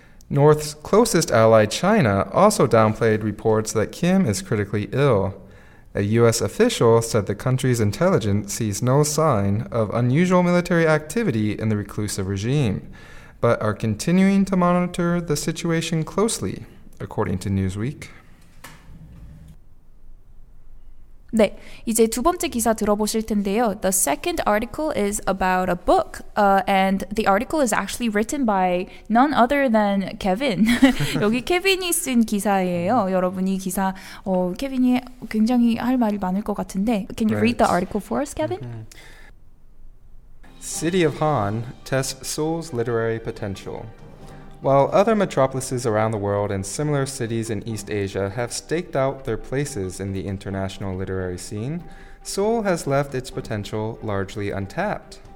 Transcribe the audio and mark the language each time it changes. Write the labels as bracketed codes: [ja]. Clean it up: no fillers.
[en] North's closest ally, China, also downplayed reports that Kim is critically ill. A U.S. official said the country's intelligence sees no sign of unusual military activity in the reclusive regime, but are continuing to monitor the situation closely, according to Newsweek. [ko] 네, 이제 두 번째 기사 들어보실 텐데요. [en] The second article is about a book, and the article is actually written by none other than Kevin. [ko] 여기 케빈이 쓴 기사예요. 여러분이 기사, 케빈이 굉장히 할 말이 많을 것 같은데. [en] Can you read the article for us, Kevin? City of Han tests Seoul's literary potential. While other metropolises around the world and similar cities in East Asia have staked out their places in the international literary scene, Seoul has left its potential largely untapped.